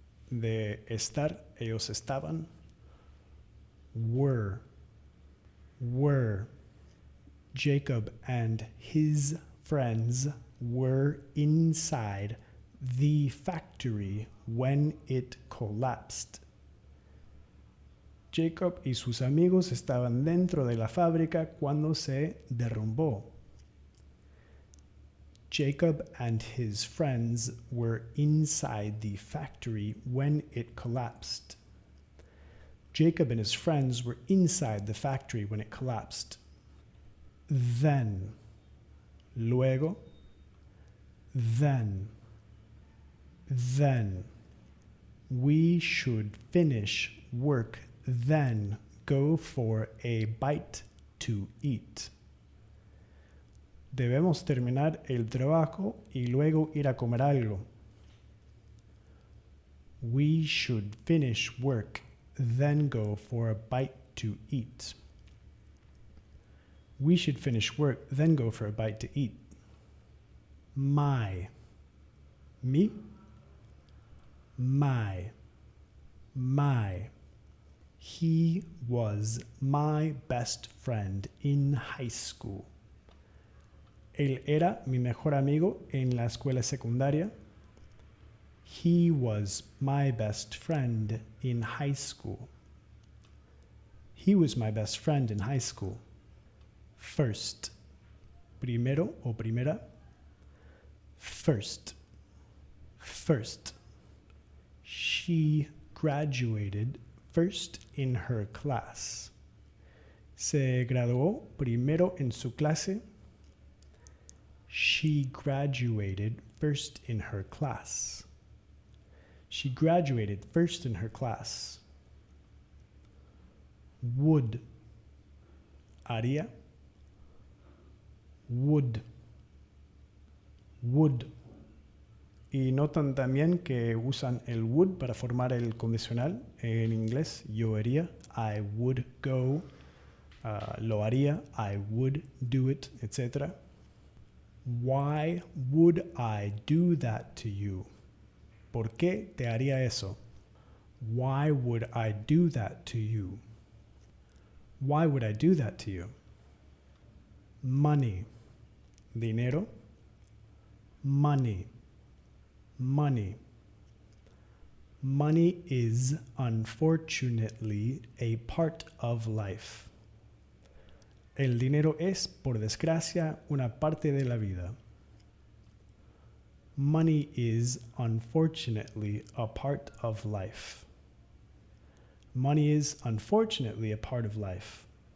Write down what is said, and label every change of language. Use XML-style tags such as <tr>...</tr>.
<es>De estar, ellos estaban.</es> <en>Were. Were. Jacob and his friends were inside the factory when it collapsed.</en> <es>Jacob y sus amigos estaban dentro de la fábrica cuando se derrumbó.</es> <en>Jacob and his friends were inside the factory when it collapsed. Jacob and his friends were inside the factory when it collapsed. Then.</en> <es>Luego.</es> <en>Then. Then. We should finish work, then go for a bite to eat.</en> <es>Debemos terminar el trabajo y luego ir a comer algo.</es> <en>We should finish work, then go for a bite to eat. We should finish work, then go for a bite to eat. My.</en> <es>Me?</es> <en>My. My. He was my best friend in high school.</en> <es>Él era mi mejor amigo en la escuela secundaria.</es> <en>He was my best friend in high school. He was my best friend in high school. First.</en> <es>Primero o primera.</es> <en>First. First. She graduated first in her class.</en> <es>Se graduó primero en su clase.</es> <en>She graduated first in her class. She graduated first in her class. Would.</en> <es>Haría.</es> <en>Would. Would.</en> <es>Y notan también que usan el would para formar el condicional en inglés. Yo haría.</es> <en>I would go.</en> <es>Lo haría.</es> <en>I would do it, etc. Why would I do that to you?</en> <es>¿Por qué te haría eso?</es> <en>Why would I do that to you? Why would I do that to you? Money.</en> <es>Dinero.</es> <en>Money. Money. Money is unfortunately a part of life.</en> <es>El dinero es, por desgracia, una parte de la vida.</es> <en>Money is unfortunately a part of life. Money is unfortunately a part of life.</en>